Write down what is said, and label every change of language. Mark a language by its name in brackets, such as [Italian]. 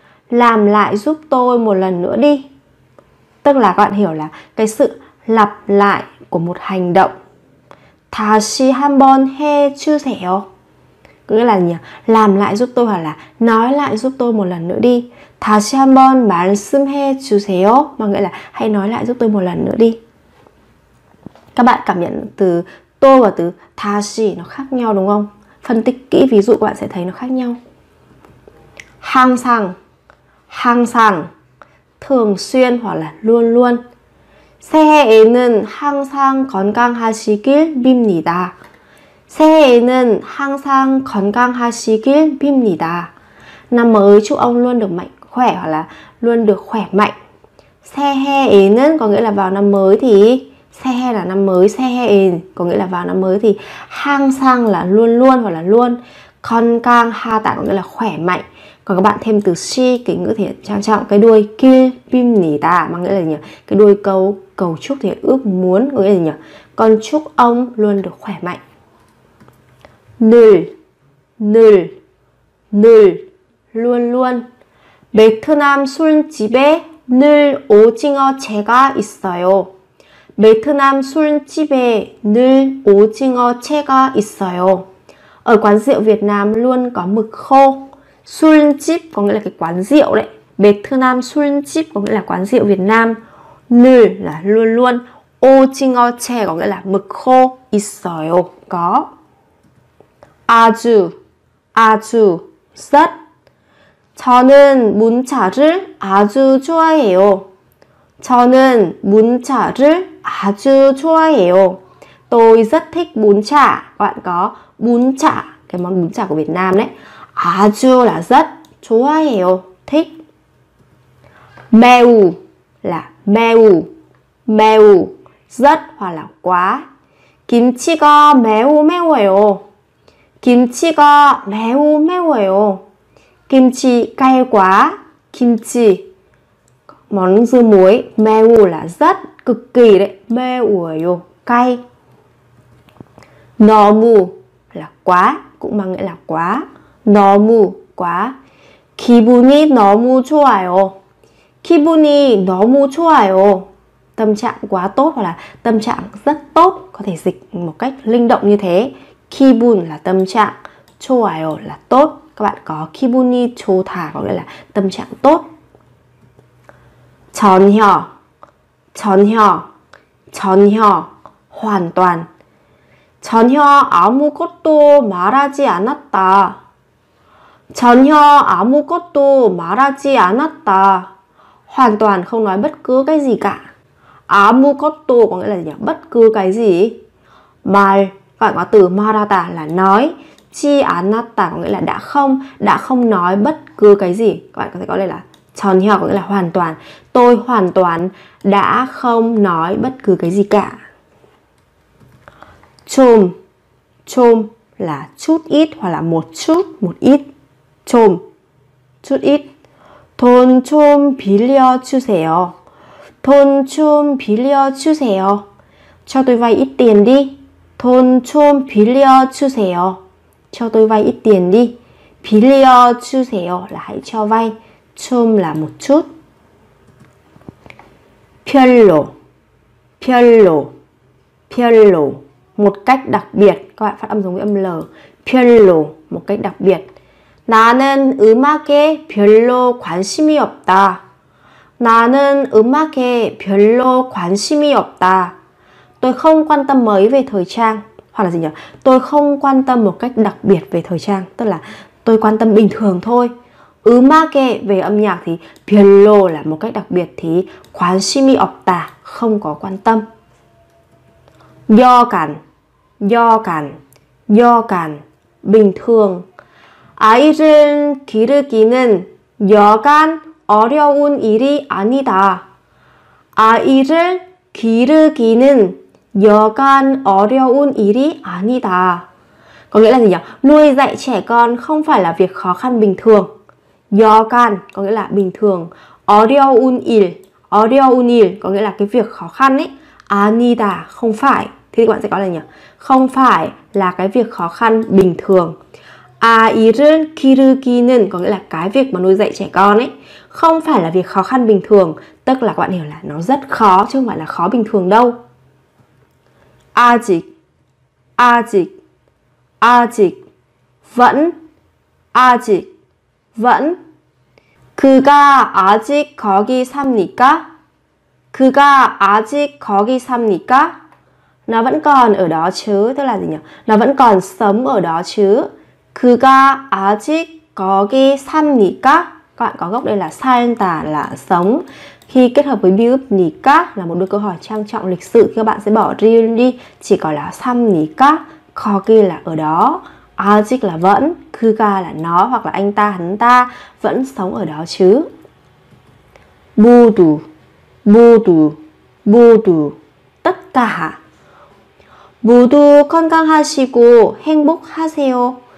[Vietnamese] Làm lại giúp tôi một lần nữa đi. Tức là các bạn hiểu là cái sự lặp lại của một hành động. [Korean] 다시 한번 해 주세요. [Vietnamese] Có nghĩa là gì nhỉ? Làm lại giúp tôi hoặc là nói lại giúp tôi một lần nữa đi. [Korean] 다시 한번 말씀해 주세요. [Vietnamese] Mà nghĩa là hãy nói lại giúp tôi một lần nữa đi. Các bạn cảm nhận từ tô và từ 다시 nó khác nhau đúng không? Phân tích kỹ ví dụ các bạn sẽ thấy nó khác nhau. 항상, 항상, thường xuyên hoặc là luôn luôn. [Korean] 새해에는 항상 건강하시길 빕니다. 새해에는 항상 건강하시길 빕니다. [Vietnamese] Năm mới chúc ông luôn được mạnh khỏe hoặc là luôn được khỏe mạnh. 새해에는 có nghĩa là vào năm mới thì 새해 là năm mới, 새해엔 có nghĩa là vào năm mới thì 항상 là luôn luôn hoặc là luôn. 건강하다 có nghĩa là khỏe mạnh. Còn các bạn thêm từ 시 kính ngữ thì trang trọng cái đuôi [Korean] 길 빕니다 [Vietnamese] mà nghĩa là gì nhỉ? Cái đuôi câu cầu chúc thì ước muốn có nghĩa là gì nhỉ? Con chúc ông luôn được khỏe mạnh. [Korean] 늘, 늘, 늘, luôn luôn. 베트남 술집에 늘 오징어 채가 있어요. 베트남 술집에 늘 오징어 채가 있어요. [Vietnamese] Ở quán rượu Việt Nam luôn có mực khô. 술집 có nghĩa là cái quán rượu đấy. [Korean] 베트남 술집 [Vietnamese] có nghĩa là quán rượu Việt Nam. 늘 là luôn luôn. 오징어 채 có nghĩa là mực khô. [Korean] 있어요 có. 아주, 아주, 썩. 저는 문자를 아주 좋아해요. 저는 문자를 아주 좋아해요. [Vietnamese] Tôi rất thích bún chả. Các bạn có bún chả, cái món bún chả của Việt Nam đấy. 아주 là rất, 좋아해요, thích. 매우 là 매우, 매우, rất hoặc là quá. [Korean] 김치가 매우 매워요. 김치가 매우 매워요. [Vietnamese] 김치 cay quá. 김치 món dưa muối. 매우 là rất, cực kỳ đấy. 매워요 cay. 너무 là quá, cũng mang nghĩa là quá. [Korean] 너무 quá. 기분이 너무 좋아요. 기분이 너무 좋아요. [Vietnamese] Tâm trạng quá tốt hoặc là tâm trạng rất tốt, có thể dịch một cách linh động như thế. 기분 là tâm trạng, 좋아요 là tốt. Các bạn có [Korean] 기분이 좋다 [Vietnamese] có nghĩa là tâm trạng tốt. [Korean] 전혀, 전혀, 전혀, 전혀, 완전. 전혀 아무것도 말하지 않았다. 전혀 아무것도 말하지 않았다. [Vietnamese] 완전 không nói bất cứ cái gì cả. 아무것도 có nghĩa là gì? Bất cứ cái gì. 말 còn có từ 말하다 là nói, [Korean] 지 않았다 [Vietnamese] có nghĩa là đã không nói bất cứ cái gì. Các bạn có thể có lời là 전혀 có nghĩa là hoàn toàn. Tôi hoàn toàn đã không nói bất cứ cái gì cả. 좀, 좀 là chút ít hoặc là một chút, một ít. [Korean] 좀, chút ít. 돈 좀 빌려주세요. 돈 좀 빌려주세요. [Vietnamese] Cho tôi vay ít tiền đi. [Korean] 돈 좀 빌려주세요. [Vietnamese] Cho tôi vay ít tiền đi. 빌려주세요 là hãy cho vay. 좀 là một chút. [Korean] 별로, 별로, 별로. [Vietnamese] Một cách đặc biệt. Các bạn phát âm giống với âm L. 별로, một cách đặc biệt. [Korean] 나는 음악에 별로 관심이 없다. 나는 음악에 별로 관심이 없다. [Vietnamese] Tôi không quan tâm mấy về thời trang. Hoặc là gì nhỉ? Tôi không quan tâm một cách đặc biệt về thời trang. Tức là tôi quan tâm bình thường thôi. 음악에 về âm nhạc thì 별로 là một cách đặc biệt. Thì [Korean] 관심이 없다, [Vietnamese] không có quan tâm. [Korean] 여간, 여간, 여간, bình thường. 아이를 기르기는 여간 어려운 일이 아니다. 아이를 기르기는 여간 어려운 일이 아니다. [Vietnamese] Có nghĩa là gì nhỉ? Nuôi dạy trẻ con không phải là việc khó khăn bình thường. 여간 có nghĩa là bình thường. [Korean] 어려운 일, 어려운 일 [Vietnamese] có nghĩa là cái việc khó khăn ấy. 아니다 không phải. Thế thì các bạn sẽ có là nhỉ? Không phải là cái việc khó khăn bình thường. [Korean] 아이를 기르기는 [Vietnamese] có nghĩa là cái việc mà nuôi dạy trẻ con ấy không phải là việc khó khăn bình thường, tức là các bạn hiểu là nó rất khó chứ không phải là khó bình thường đâu. [Korean] 아직, 아직, 아직, vẫn, 아직, vẫn. 그가 아직 거기 삽니까? 그가 아직 거기 삽니까? [Vietnamese] Nó vẫn còn ở đó chứ, tức là gì nhỉ? Nó vẫn còn sống ở đó chứ. [Korean] 그가 아직 거기 삽니까? [Vietnamese] Các bạn có gốc đây là 산다 là sống. Khi kết hợp với 삽니까 là một đôi câu hỏi trang trọng lịch sự, khi các bạn sẽ bỏ 를 đi, chỉ có là 삽니까? 거기 là ở đó, 아직 là vẫn, 그가 là nó hoặc là anh ta, hắn ta vẫn sống ở đó chứ. [Korean] 모두, 모두, 모두, tất cả. 모두 건강하시고 행복하세요.